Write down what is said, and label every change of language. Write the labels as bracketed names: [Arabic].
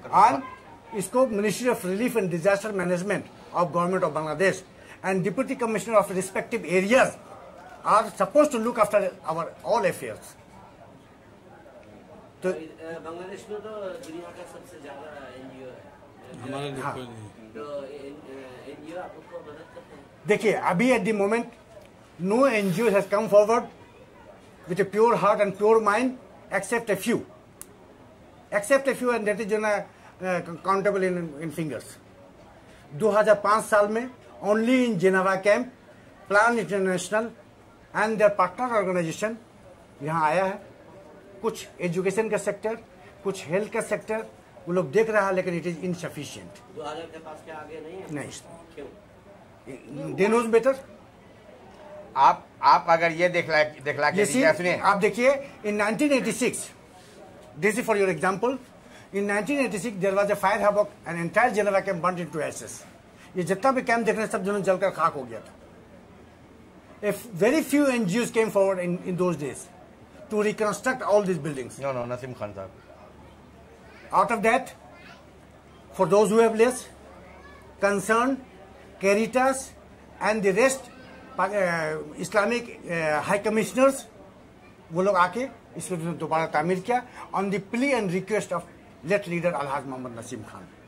[Hindi] करना, इसको [English] Ministry of relief and disaster management of government of Bangladesh and deputy commissioner of respective areas are suppose to look after our all affairs. [Hindi] तो बांग्लादेश में तो दुनिया का सबसे ज्यादा एनजीओ है, हमारे नहीं। तो एनजीओ आपको मदद करते हैं? देखिए अभी [English] At the moment No NGO has come forward with a pure heart and pure mind, except a few. Except a few, and that is countable in fingers. [Hindi] 2005 साल में [English] only in Geneva camp, Plan International and their partner organization [Hindi] यहाँ आया है. कुछ education का sector, कुछ health का sector, वो लोग देख रहा है, लेकिन [English] it is insufficient. [Hindi] 2000 के पास क्या आगे नहीं है? नहीं. क्यों? [English] They knows better. [Hindi] आप अगर ये देखला के लिए सुने, आप देखिए, [English] in 1986, this is for your example, in 1986 there was a fire havoc and entire Geneva camp burnt into ashes. [Hindi] ये जितना भी कैंप देखने सब जनों जलकर खाक हो गया था. [English] A very few NGOs came forward in those days to reconstruct all these buildings. No, Nasim Khan sir. Out of that, for those who have less concern, Caritas and the rest Islamic high commissioners [Hindi] वो लोग आके इसको दोबारा तामीर किया [English] On the plea and request of late leader Alhaj Mohammad Nasim Khan.